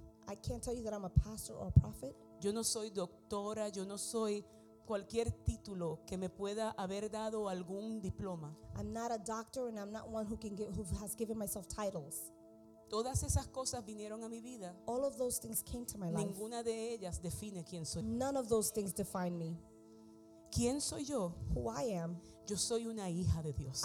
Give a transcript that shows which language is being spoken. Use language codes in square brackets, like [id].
[en] I can't tell you that I'm a pastor or a prophet. [es] Yo no soy doctora, yo no soy cualquier título que me pueda haber dado algún diploma. [en] I'm not a doctor and I'm not one who has given myself titles. [es] Todas esas cosas vinieron a mi vida. [en] All of those things came to my [es] ninguna Ninguna de ellas define quién soy. [en] None of those things define me. [es] ¿Quién soy yo? [en] Who I am. [es] Yo soy una hija de Dios.